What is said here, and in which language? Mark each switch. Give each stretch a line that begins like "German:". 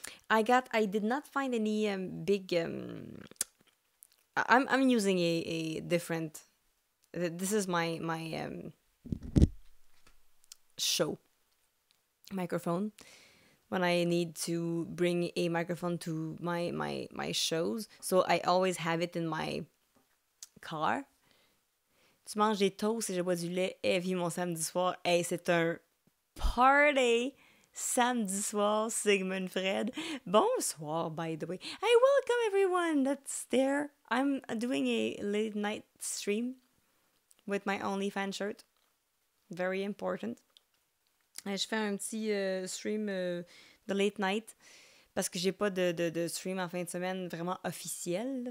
English: I did not find any big... I'm using a different... This is my show microphone. When I need to bring a microphone to my shows. So I always have it in my car.
French: Tu manges des toasts et je bois du lait et vis mon samedi soir. Hey, c'est un party samedi soir, Sigmund Fred. Bonsoir,
English: by the way. Hey, welcome everyone that's there. I'm doing a late night stream with my OnlyFans shirt. Very important.
French: Et je fais un petit stream de
English: late night
French: parce que j'ai pas de stream en fin de semaine vraiment officiel.